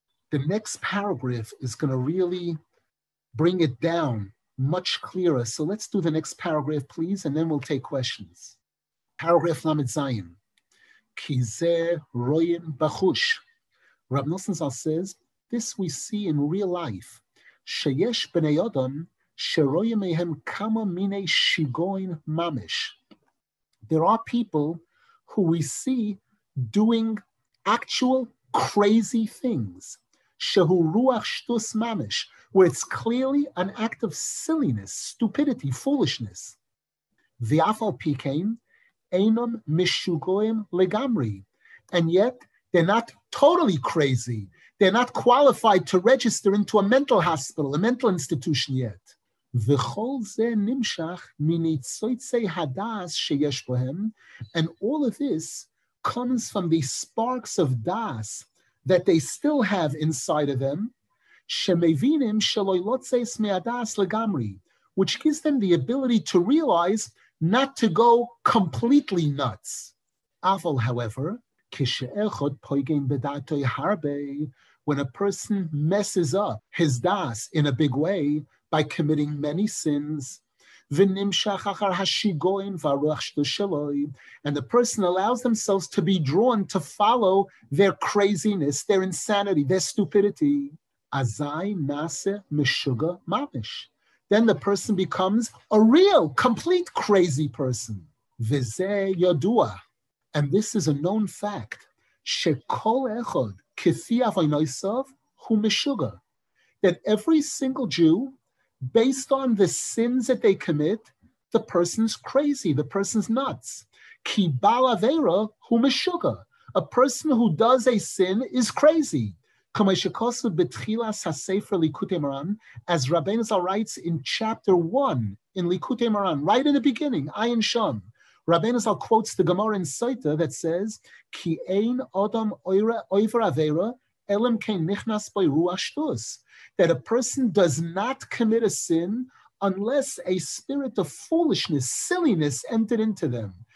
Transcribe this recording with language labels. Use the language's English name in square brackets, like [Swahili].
[English] The next paragraph is going to really bring it down much clearer. So let's do the next paragraph, please, and then we'll take questions. Paragraph Lamed Zayin. [Hebrew] Ki zeh royim bachush. [English] Rav Nosson Zal says, this we see in real life. [Hebrew] Sheyesh b'nei Adam שרואים מהם כמה מיני שיגוין ממש. [English] There are people who we see doing actual crazy things. [Hebrew] שהוא רוח שטוס ממש, [English] where it's clearly an act of silliness, stupidity, foolishness. [Hebrew] ואף על פי כן, אינם משוגעים לגמרי. [English] And yet, they're not totally crazy. They're not qualified to register into a mental hospital, a mental institution yet. [Hebrew] וכל זה נמשך מניצוצי הדעס שיש בהם, [English] and all of this comes from the sparks of דעס that they still have inside of them, [Hebrew] שמבינים שלא יוצאים מהדעס לגמרי, [English] which gives them the ability to realize not to go completely nuts. אבל, however, [Hebrew] כשאחד פוגם בדעתו הרבה, [English] when a person messes up his das in a big way by committing many sins, [Hebrew] ונמשך אחר השיגוין והרוח שלוי, [English] and the person allows themselves to be drawn to follow their craziness, their insanity, their stupidity, [Hebrew] אזי נעשה משוגע ממש. [English] Then the person becomes a real, complete crazy person. [Hebrew] וזה ידוע. [English] And this is a known fact. [Hebrew] שכל אחד, כפי אבינויסוב, הוא משוגע. [English] That every single Jew, based on the sins that they commit, the person's crazy, the person's nuts. [Hebrew] כי בעל עבירה הוא משוגע. [English] A person who does a sin is crazy. [Hebrew] כמו שכוסו בתחילת הספר ליקוטי מרן, [English] as Rabbeinu Zal writes in chapter 1 in Likutei Moran, right in the beginning, Ayin Shom, Rabbeinu Zal quotes the Gemara in Sota that says, [Hebrew] ki ein odom oivra avera, elem kein nichnas boi ruach shtus, [English] that a person does not commit a sin unless a spirit of foolishness, silliness, entered into them.